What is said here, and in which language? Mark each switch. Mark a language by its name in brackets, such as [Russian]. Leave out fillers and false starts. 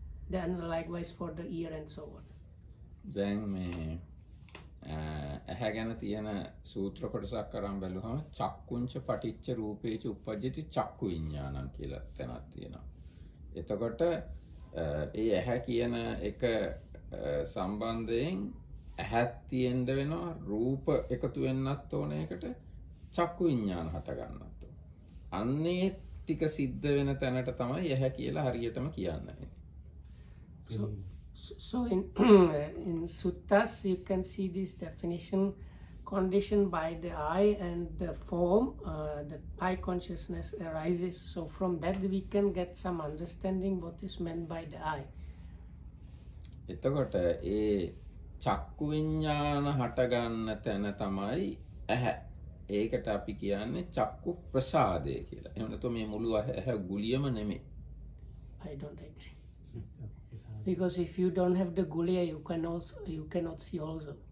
[English] Then likewise for the ear and so on. Then [Sinhala] me ඇහැ ගැන තියෙන සූත්‍ර කොටසක් අරන් බැලුවම චක්කුංච පටිච්ච රූපේච උපජ්ජති චක්කු විඥානං කියලා තැනක් තියෙනවා. එතකොට ඒ ඇහැ කියන එක සම්බන්ධයෙන් ඇහත් තියෙන්න වෙනවා රූප එකතු වෙන්නත් ඕන ඒකට චක්කු විඥාන හට ගන්නත්. අන්නේ ටික සිද්ධ වෙන තැනට තමයි ඇහැ කියලා හරියටම කියන්නේ. [English] So in suttas you can see this definition conditioned by the eye and the form the eye consciousness arises. So from that we can get some understanding what is meant by the eye. [Sinhala] එතකොට ඒ චක්කු විඤ්ඤාණ හට ගන්න තැන තමයි ඇහැ. ඒකට අපි කියන්නේ චක්කු ප්‍රසාදය කියලා. එහෙම නැත්නම් මේ මුළු ඇහැ ගුලියම නෙමෙයි. [English] I don't agree. Because if you don't have the guliya, you cannot see also.